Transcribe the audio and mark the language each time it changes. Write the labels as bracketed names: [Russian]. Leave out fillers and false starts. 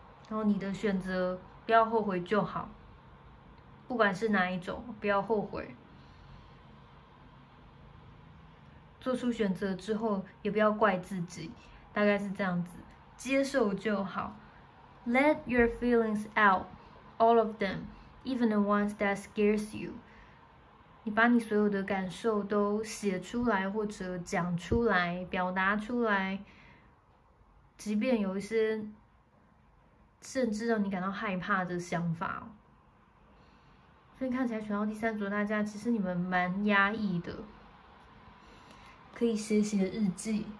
[Chinese] 然后你的选择不要后悔就好，不管是哪一种，不要后悔。做出选择之后也不要怪自己，大概是这样子，接受就好。 [English] Let your feelings out, all of them, even the ones that scares you. [Chinese] 你把你所有的感受都写出来或者讲出来表达出来，即便有一些甚至让你感到害怕的想法。所以看起来选到第三组的大家，其实你们蛮压抑的，可以写写日记。